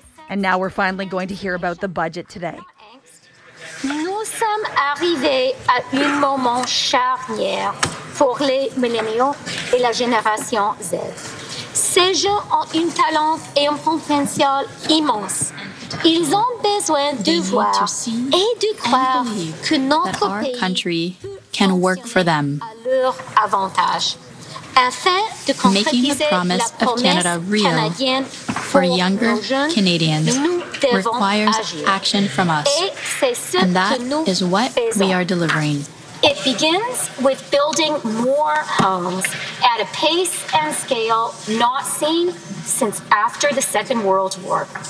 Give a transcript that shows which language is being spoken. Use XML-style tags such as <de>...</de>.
<en>And now we're finally going to hear about the budget today.</en> <fr>Nous sommes arrivés à un moment charnière pour les milléniaux et la génération Z. Ces jeunes ont un talent et un potentiel immense. Ils ont besoin de voir et de croire que notre pays peut fonctionner à leur avantage. Afin de</fr> <en>making the promise of Canada real for younger Canadians requires action from us, and that is what we are delivering. It begins with building more homes at a pace and scale not seen since after the Second World War.</en>